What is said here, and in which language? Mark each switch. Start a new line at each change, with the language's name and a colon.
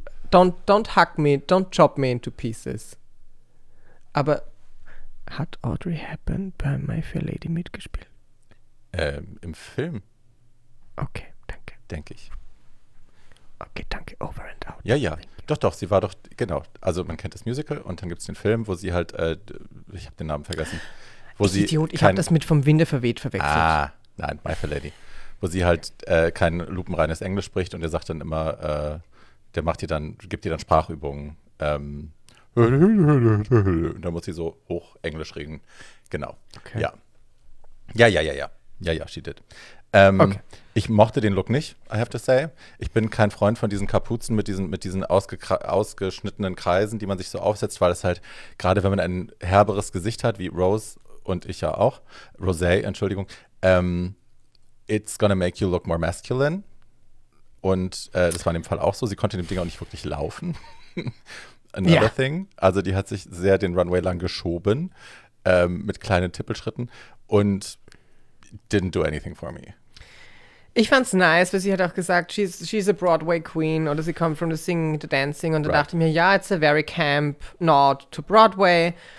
English: Don't hug me, don't chop me into pieces.
German: Aber hat Audrey Hepburn bei My Fair Lady mitgespielt? Im Film. Okay, danke. Denke ich. Okay, danke. Over and out. Ja, ja. Doch, sie war doch, genau. Also man kennt das Musical und dann gibt es den Film, wo sie halt, ich habe den Namen vergessen. Wo ich sie Idiot, ich habe das mit Vom Winde verweht verwechselt. Ah, nein, My Fair Lady. Wo sie halt kein lupenreines Englisch spricht und der sagt dann immer, gibt ihr dann Sprachübungen. Und dann muss sie so hoch Englisch reden. Genau, okay.
English: Ja, she did. Okay.
German: Ich mochte den Look nicht,
English: I have to say.
German: Ich bin kein Freund von diesen Kapuzen mit diesen ausgeschnittenen Kreisen, die man sich so aufsetzt, weil es halt, gerade wenn man ein herberes Gesicht hat, wie Rose und ich ja auch, Rosé, Entschuldigung,
English: It's gonna make you look more masculine.
German: Und das war in dem Fall auch so. Sie konnte in dem Ding auch nicht wirklich laufen.
English: Another thing.
German: Also die hat sich sehr den Runway lang geschoben mit kleinen Tippelschritten und
English: didn't do anything for me.
German: Ich fand's nice, weil sie hat auch gesagt,
English: she's a Broadway queen
German: oder sie kommt
English: from the singing to dancing
German: und da dachte ich mir, ja,
English: it's a very camp nod to Broadway.